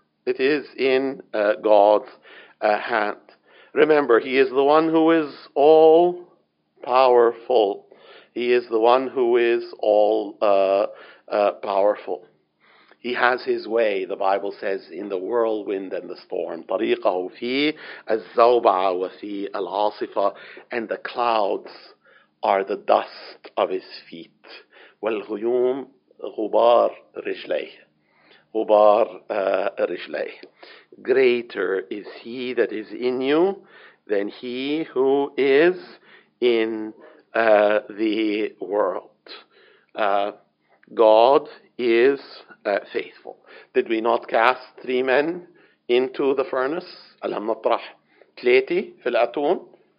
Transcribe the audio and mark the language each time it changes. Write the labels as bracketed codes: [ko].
[en] It is in God's hand. Remember, he is the one who is all powerful. He is the one who is all powerful. He has his way, the Bible says, in the whirlwind and the storm. [ar] طريقه في الزوبعة وفي العاصفة. [en] And the clouds are the dust of his feet. [ar] والغيوم غبار رجليه. غبار رجليه. [en] Greater is he that is in you than he who is in the world. God is faithful. Did we not cast three men into the furnace? [ar] ألم نطرح ثلاثة في الأتون?